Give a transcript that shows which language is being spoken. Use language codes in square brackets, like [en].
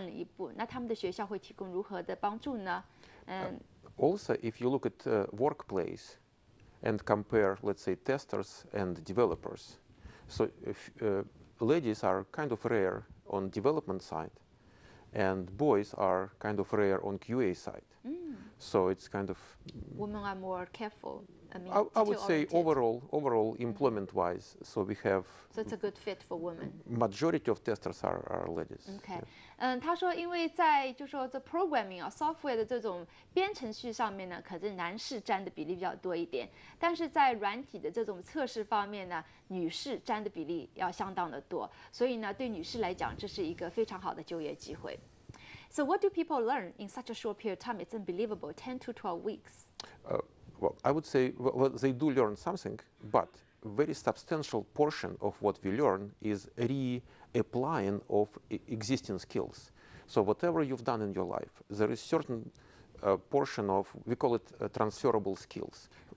[zh] 那刚才我问到就是说，特别像一些女士哈，读过大学之后可能有一个机会就很快结婚生子了，这样的话让他们的事业的开端呢就比别人慢了一步。那他们的学校会提供如何的帮助呢？ [en] Also, if you look at workplace and compare, let's say, testers and developers, so if, ladies are kind of rare on development side, and boys are kind of rare on QA side. Mm. So it's kind of... Women are more careful. I would say overall employment-wise, mm-hmm. so we have... So it's a good fit for women. Majority of testers are ladies. Okay. Yeah. [zh] 他说因为在就说the programming, software的这种编程序上面呢, 可是男士占的比例比较多一点。但是在软体的这种测试方面呢, 女士占的比例要相当的多。所以呢, 对女士来讲, 这是一个非常好的就业机会。 [en] So what do people learn in such a short period of time? It's unbelievable, 10 to 12 weeks. Well, I would say well, they do learn something, but a very substantial portion of what we learn is reapplying of existing skills. So whatever you've done in your life, there is certain portion of, we call it transferable skills.